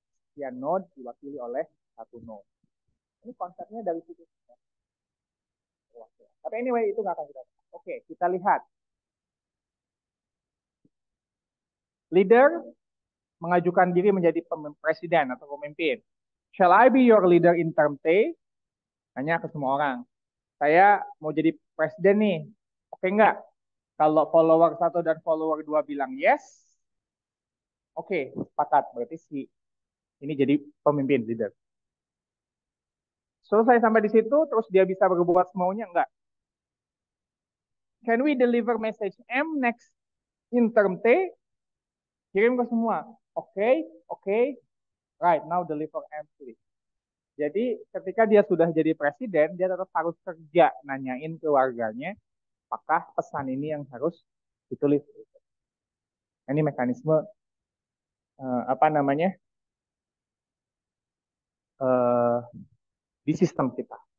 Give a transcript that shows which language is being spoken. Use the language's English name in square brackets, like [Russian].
[Indonesian] Sekian node diwakili oleh satu node. Ini konsepnya dari situ. Perwakilan. Tapi anyway, itu nggak akan kita lihat. Oke, kita lihat. Leader mengajukan diri menjadi presiden atau pemimpin. [English] Shall I be your leader in term T? [Indonesian] Tanya ke semua orang. Saya mau jadi presiden nih. Oke enggak? Kalau follower 1 dan follower 2 bilang yes. Oke, sepakat. Berarti si ini jadi pemimpin, leader. Selesai sampai di situ, terus dia bisa berbuat semaunya enggak? [English] Can we deliver message M next in term T? [Indonesian] Kirim ke semua. Oke. [English] Right, now deliver M, please. [Indonesian] Jadi ketika dia sudah jadi presiden, dia tetap harus kerja nanyain ke warganya, apakah pesan ini yang harus ditulis. Ini mekanisme apa namanya di sistem kita.